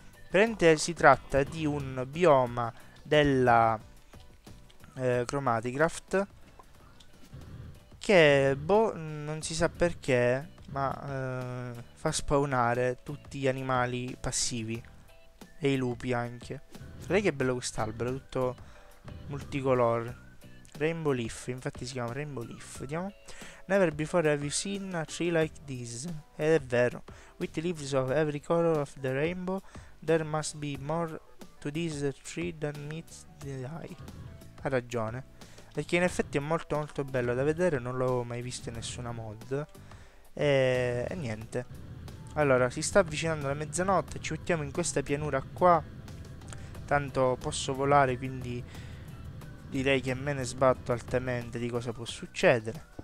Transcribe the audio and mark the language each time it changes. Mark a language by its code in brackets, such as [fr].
[it] Praticamente si tratta di un bioma della Chromatigraft, che boh, non si sa perché, ma fa spawnare tutti gli animali passivi e i lupi anche. Guardate che bello quest'albero, tutto multicolor. Rainbow Leaf, infatti si chiama Rainbow Leaf. Vediamo. [en] Never before have you seen a tree like this. [it] Ed è vero. [en] With leaves of every color of the rainbow, there must be more to this tree than meets the eye. [it] Ha ragione, perché in effetti è molto molto bello da vedere, non l'ho mai visto in nessuna mod. E niente. Allora, si sta avvicinando la mezzanotte, ci mettiamo in questa pianura qua. Tanto posso volare, quindi direi che me ne sbatto altamente di cosa può succedere.